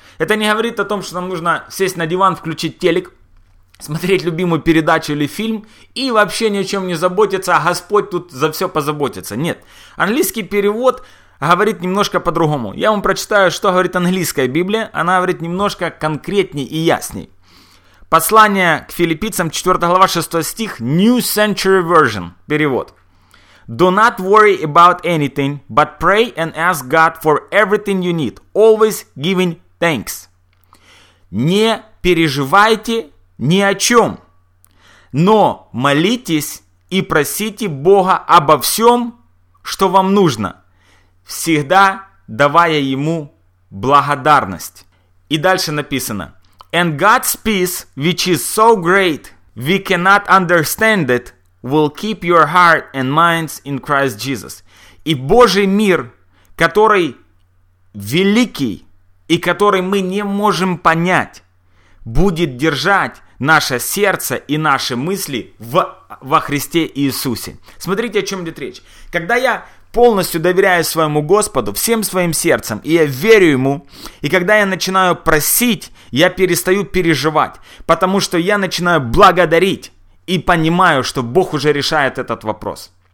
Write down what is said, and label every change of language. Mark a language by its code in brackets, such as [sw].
[ru] Это не говорит о том, что нам нужно сесть на диван, включить телек, смотреть любимую передачу или фильм и вообще ни о чем не заботиться, а Господь тут за все позаботится. Нет. Английский перевод говорит немножко по-другому. Я вам прочитаю, что говорит английская Библия. Она говорит немножко конкретней и ясней. Послание к филиппийцам, 4 глава, 6 стих, New Century Version, перевод. [en] Do not worry about anything, but pray and ask God for everything you need, always giving thanks. [ru] Не переживайте ни о чем, но молитесь и просите Бога обо всем, что вам нужно, всегда давая Ему благодарность. И дальше написано: [en] «And God's peace, which is so great, we cannot understand it, will keep your heart and minds in Christ Jesus». [ru] И Божий мир, который великий и который мы не можем понять, будет держать наше сердце и наши мысли во Христе Иисусе. Смотрите, о чем идет речь. Когда я полностью доверяю своему Господу, всем своим сердцем, и я верю Ему, и когда я начинаю просить, я перестаю переживать, потому что я начинаю благодарить и понимаю, что Бог уже решает этот вопрос.